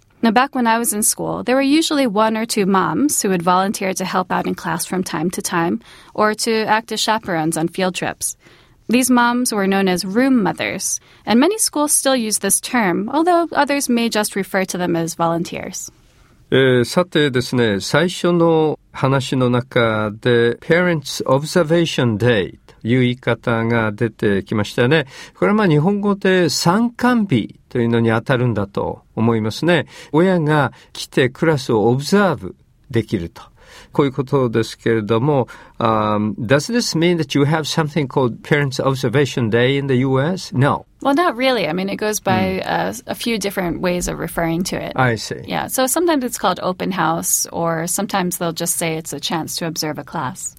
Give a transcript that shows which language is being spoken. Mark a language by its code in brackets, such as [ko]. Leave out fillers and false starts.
[en] Now, back when I was in school, there were usually one or two moms who would volunteer to help out in class from time to time or to act as chaperones on field trips. These moms were known as room mothers, and many schools still use this term, although others may just refer to them as volunteers. [ja] さてですね、最初の話の中で Parents Observation Day という言い方が出てきましたね。これはまあ日本語で参観日というのに当たるんだと思いますね。親が来てクラスをオブザーブできると、こういうことですけれども、 [en] does this mean that you have something called Parents Observation Day in the U.S.? No. Well, not really. I mean, it goes by a few different ways of referring to it. I see. Yeah, so sometimes it's called open house, or sometimes they'll just say it's a chance to observe a class.